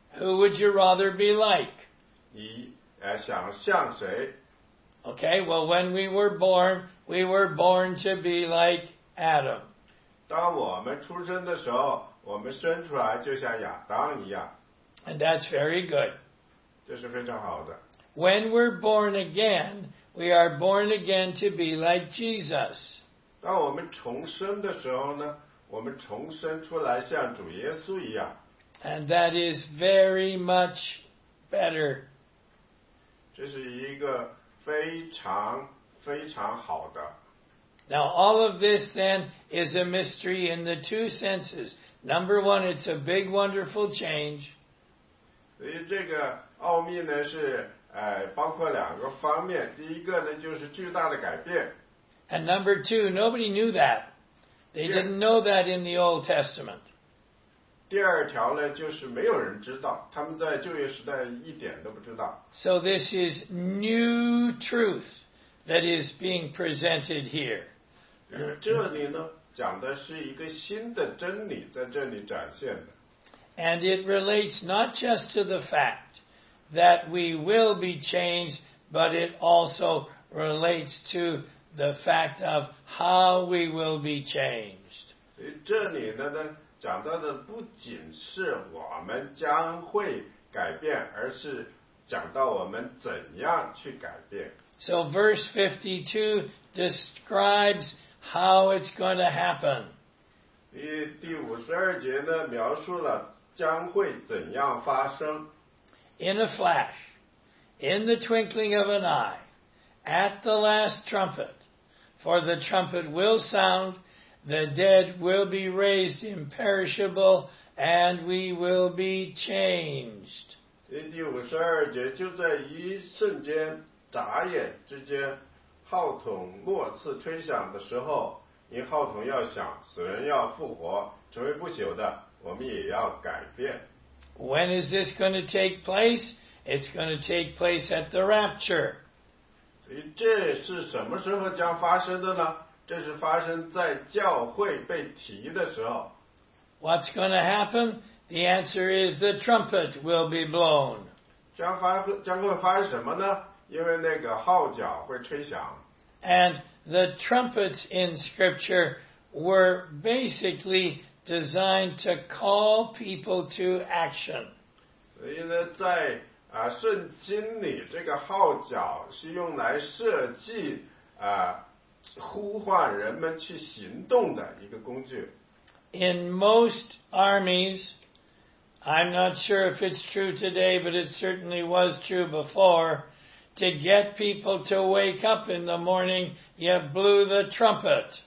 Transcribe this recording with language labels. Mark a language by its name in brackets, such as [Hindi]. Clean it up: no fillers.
[English] Who would you rather be like? [Chinese] 你想像谁？ [English] Okay, well, when we were born to be like Adam. [Chinese] 当我们出生的时候，我们生出来就像亚当一样。 [English] And that's very good. [Chinese] 这是非常好的。 [English] When we're born again, we are born again to be like Jesus. [Chinese] 当我们重生的时候呢，我们重生出来像主耶稣一样。 [English] And that is very much better. [Chinese] 这是一个非常非常好的。 [English] Now all of this then is a mystery in the two senses. Number one, it's a big wonderful change. [Chinese] 所以这个奥秘呢是包括两个方面，第一个呢就是巨大的改变。 [English] And number two, nobody knew that. They didn't know that in the Old Testament. [Chinese] 第二条呢就是没有人知道，他们在旧约时代一点都不知道。 [English] So this is new truth that is being presented here. [Chinese] 这里呢讲的是一个新的真理在这里展现的。 [English] And it relates not just to the fact that we will be changed, but it also relates to the fact of how we will be changed. [Chinese] 这里呢讲到的不仅是我们将会改变，而是讲到我们怎样去改变。 [English] So verse 52 describes how it's going to happen. [Chinese] 第52节呢描述了将会怎样发生。 [English] In a flash, in the twinkling of an eye, at the last trumpet, for the trumpet will sound, the dead will be raised imperishable, and we will be changed. [Chinese] 第52节, 就在一瞬间眨眼之间号筒末次吹响的时候, 因号筒要响, 死人要复活, 成为不朽的, 我们也要改变。 [English] When is this going to take place? It's going to take place at the rapture. [Chinese] 这是什么时候将发生的呢?这是发生在教会被提的时候。 [English] What's going to happen? The answer is the trumpet will be blown. [Chinese] 将会发生什么呢?因为那个号角会吹响。 [English] And the trumpets in Scripture were basically designed to call people to action. [Chinese] 所以呢，在圣经里，这个号角是用来设计呼唤人们去行动的一个工具。 [English] In most armies, I'm not sure if it's true today, but it certainly was true before, to get people to wake up in the morning, you blew the trumpet.